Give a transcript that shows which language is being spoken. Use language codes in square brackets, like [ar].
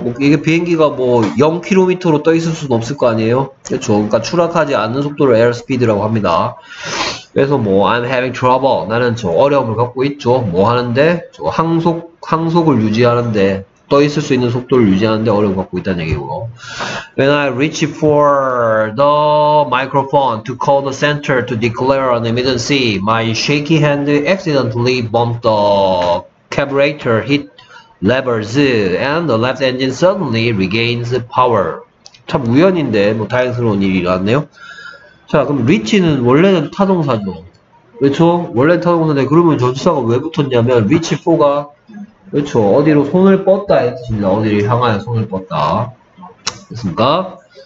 [ko] 뭐 이게 비행기가 뭐 0km로 떠 있을 수는 없을 거 아니에요. 그렇죠. 그러니까 추락하지 않는 속도를 airspeed라고 합니다. 그래서 뭐 [en] I'm having trouble. [ko] 나는 저 어려움을 갖고 있죠. 뭐 하는데? 저 항속을 유지하는데 떠 있을 수 있는 속도를 유지하는데 어려움 갖고 있다는 얘기고. [en] When I reach for the microphone to call the center to declare an emergency, my shaky hand accidentally bumped the carburetor heat levers and the left engine suddenly regains power. [ko] 참 우연인데 뭐 다행스러운 일이 일어났네요. 자, 그럼 리치는 원래는 타동사죠. 그렇죠? 원래 타동사인데 그러면 전치사가 왜 붙었냐면 리치 포가 그렇죠. 어디로 손을 뻗다 했습니다. 어디를 향하여 손을 뻗다 했습니까?